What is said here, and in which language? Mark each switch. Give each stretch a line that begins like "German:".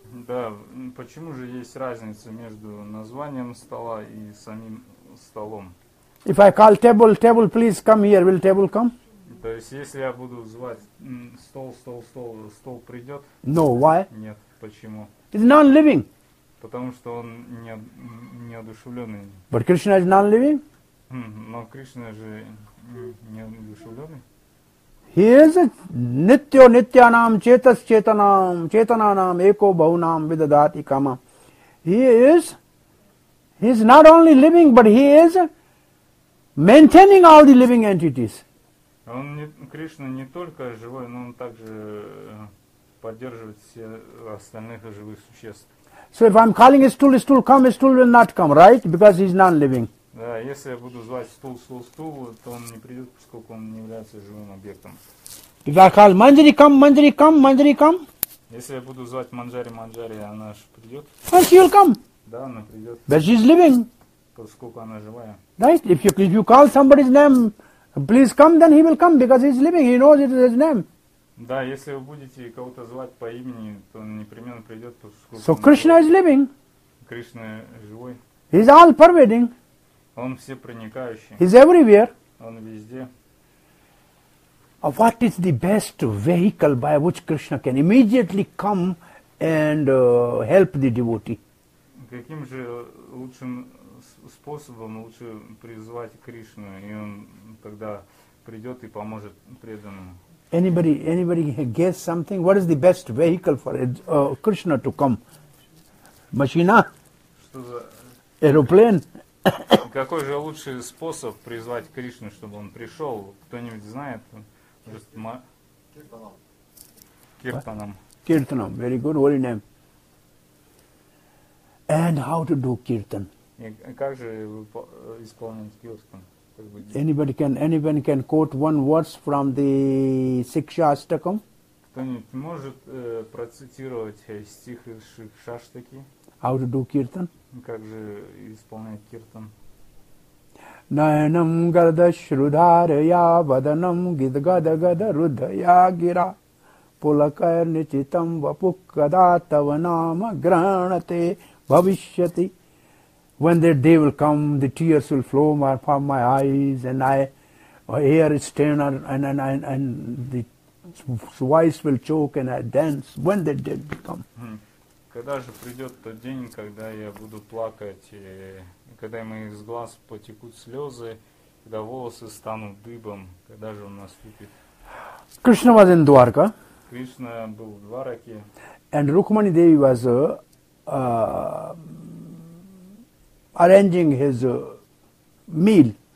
Russian: Да, почему же есть разница между названием стола и самим столом?
English: If I call table, table, please come here. Will table come?
Russian: То есть, если я буду звать стол, стол, стол, стол придет?
English: No, why?
Russian: Нет, почему?
English: It's non-living.
Russian: Потому что он неодушевленный.
English: But Krishna is non-living?
Russian: Но Кришна же неодушевленный.
English: He is a
Sanskrit: nityo, nityanam, chetas, chetanam, chetananam, eko, bahunam, vidadati, kama.
English: He is not only living, but he is maintaining all the living entities.
Russian: Он не, Кришна не только живой, но он также поддерживает все остальных живых существ.
English: So if I'm calling a stool come, a stool will not come, right? Because he's non-living.
Russian: Да, если я буду звать стул, стул, стул, то он не придет, поскольку он не является живым объектом.
English: If I call Manjari come, Manjari come, Manjari come.
Russian: Если я буду звать Манджари, Манджари, она же придет.
English: And she will come.
Russian: Да, она придет.
English: But she's living.
Russian: Поскольку она живая.
English: Right? If you call somebody's name, please come, then he will come, because he is living, he knows it is his name.
Russian: Да, если вы будете кого-то звать по имени, то он непременно придет, поскольку...
English: So Krishna is living.
Russian: Кришна живой.
English: He is all pervading.
Russian: Он всепроникающий.
English: He is everywhere.
Russian: Он везде.
English: What is the best vehicle by which Krishna can immediately come and help the devotee?
Russian: Каким же лучшим способом лучше призвать Кришну, и он тогда придет и поможет преданному.
English: Anybody guess something? What is the best vehicle for Krishna to come?
Russian: Машина? Что за?
English: Aeroplane?
Russian: Какой же лучший способ призвать Кришну, чтобы он пришел? Кто-нибудь знает? Киртанам. Киртанам.
English: Киртанам. Very good. Holy name. And how to do Kirtan?
Russian: Как же исполнить Kirtan?
English: Anybody can quote one verse from the Shikshastakam?
Russian: Кто-нибудь может процитировать стих из Шикшаштаки?
English: How to do Kirtan?
Russian: Как же исполнять Kirtan?
Sanskrit: Nayanam garda shrudharaya vadanam gidgada gada rudhaya gira pulakar nichitam vapukkada tavanama granate bhavishyati.
English: When the day will come, the tears will flow from my eyes, and I hear a stainer, and the voice will choke, and I dance. When the day will come?
Russian: Когда же придет тот день, когда я буду плакать, когда мои из глаз потекут слезы, когда волосы станут дыбом, когда же он наступит?
English: Krishna was in Dwarka.
Russian: Krishna был в Двараке.
English: And Rukmani Devi was arranging his meal.